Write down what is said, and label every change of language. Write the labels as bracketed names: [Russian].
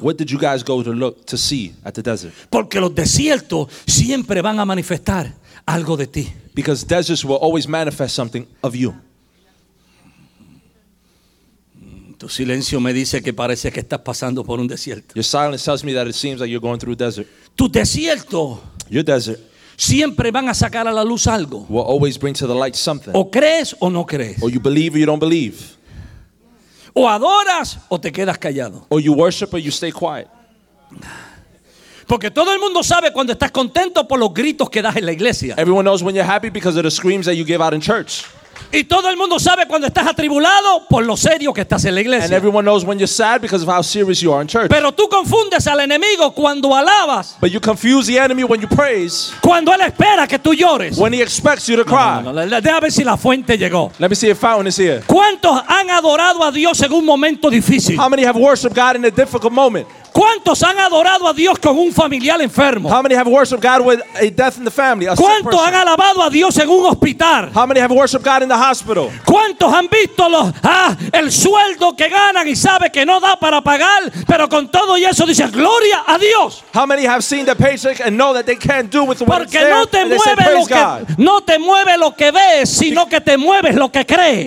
[English] What did you guys go to look to see at the desert? [Spanish] Porque los desiertos siempre van a manifestar algo de ti. [English] Because deserts will always manifest something of you. [Spanish] Tu silencio me dice que parece que estás pasando por un desierto. [English] Your silence tells me that it seems like you're going through a desert. [Spanish] Tu desierto. [English] Your desert. [Spanish] Siempre van a sacar a la luz algo. [English] Will always bring to the light something. [Spanish] O crees o no crees. [English] Or you believe or you don't believe. [Spanish] O adoras o te quedas callado. [English] Or you worship or you stay quiet. [Spanish] Porque todo el mundo sabe cuando estás contento por los gritos que das en la iglesia. [English] Everyone knows when you're happy because of the screams that you give out in church. [Spanish] Y todo el mundo sabe cuando estás atribulado por lo serio que estás en la iglesia. [English] And everyone knows when you're sad because of how serious you are in church. [Spanish] Pero tú confundes al enemigo cuando alabas. [English] But you confuse the enemy when you praise. [Spanish] Cuando él espera que tú llores. [English] When he expects you to cry. [Spanish] Déjame ver si la fuente llegó. [English] Let me see if fountain is here. [Spanish] ¿Cuántos han adorado a Dios en un momento difícil? [English] How many have worshiped God in a difficult moment? [Spanish] ¿Cuántos han adorado a Dios con un familiar enfermo? [English] How many have worshiped God with a death in the family? [Spanish] ¿Cuántos han alabado a Dios en un hospital? [English] How many have worshiped God in the hospital? [Spanish] ¿Cuántos han visto los el sueldo que ganan y sabe que no da para pagar, pero con todo y eso dice gloria a Dios? [English] How many have seen the paycheck and know that they can't do with what's there? [Spanish] No te mueve lo que no te mueve lo que ves, sino que te mueves lo que crees.